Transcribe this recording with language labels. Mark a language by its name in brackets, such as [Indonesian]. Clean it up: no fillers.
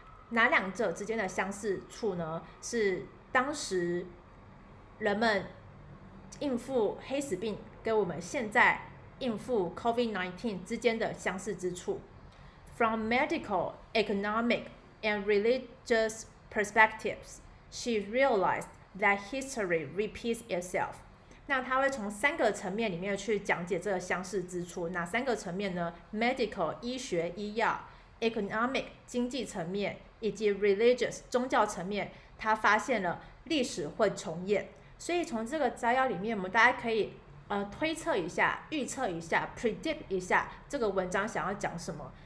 [Chinese] 哪两者之间的相似处呢？是当时人们应付黑死病跟我们现在应付 COVID-19 之间的相似之处。 [English] From medical, economic, and religious perspectives, she realized that history repeats itself。 [Chinese] 那他会从三个层面里面去讲解这个相似之处。哪三个层面呢？Medical, 医学医药， Economic, 经济层面，以及 religious, 宗教层面。他发现了历史会重演。所以从这个摘要里面，我们大家可以推测一下，预测一下， predict 一下这个文章想要讲什么。